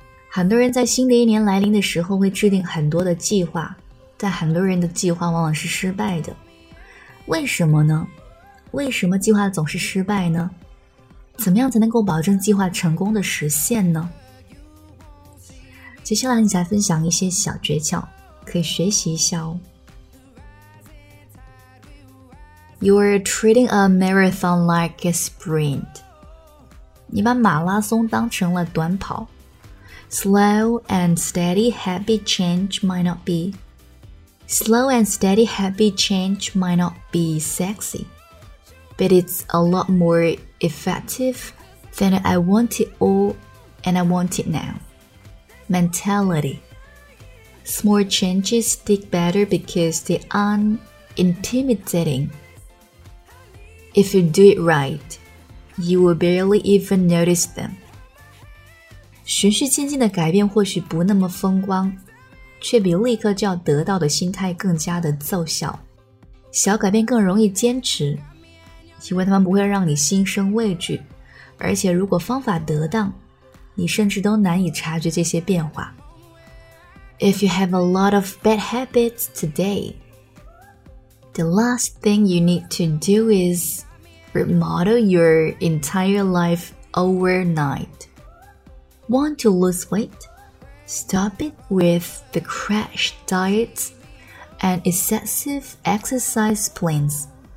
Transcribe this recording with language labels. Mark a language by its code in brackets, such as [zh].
[zh] 很多人在新的一年来临的时候会制定很多的计划，但很多人的计划往往是失败的。为什么呢？为什么计划总是失败呢？怎么样才能够保证计划成功的实现呢？接下来你再分享一些小诀窍，可以学习一下哦。 [en] You are treating a marathon like a sprint. [zh] 你把马拉松当成了短跑。 [en] Slow and steady happy change might not be. Slow and steady happy change might not be sexy, but it's a lot more effective than I want it all and I want it now. Mentality. Small changes stick better because they aren't intimidating. If you do it right, you will barely even notice them. [zh] 循序渐进的改变或许不那么风光，却比立刻就要得到的心态更加的奏效。小改变更容易坚持，因为它们不会让你心生畏惧，而且如果方法得当，你甚至都难以察觉这些变化。 [en] If you have a lot of bad habits today,The last thing you need to do is remodel your entire life overnight. Want to lose weight? Stop it with the crash diets and excessive exercise plans.